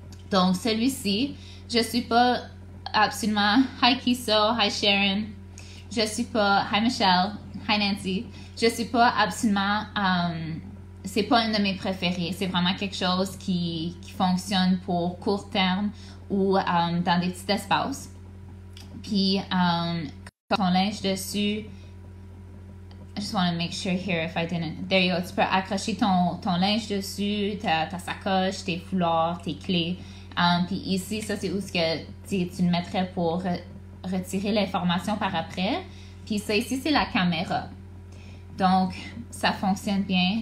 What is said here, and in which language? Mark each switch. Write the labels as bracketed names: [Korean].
[French] Donc, celui-ci, je suis pas absolument... [English] Hi, Kiso. Hi, Sharon. [French] Je suis pas... [English] Hi, Michelle. Hi, Nancy. [French] Je suis pas absolument... C'est pas une de mes préférées. C'est vraiment quelque chose qui fonctionne pour court terme ou dans des petits espaces. Puis, quand on linge dessus, [English] I just want to make sure here if I didn't. There you go. [French] Tu peux accrocher ton linge dessus, ta sacoche, tes foulards, tes clés. Puis ici, ça c'est où ce que tu le mettrais pour retirer l'information par après. Puis ça ici, c'est la caméra. Donc, ça fonctionne bien.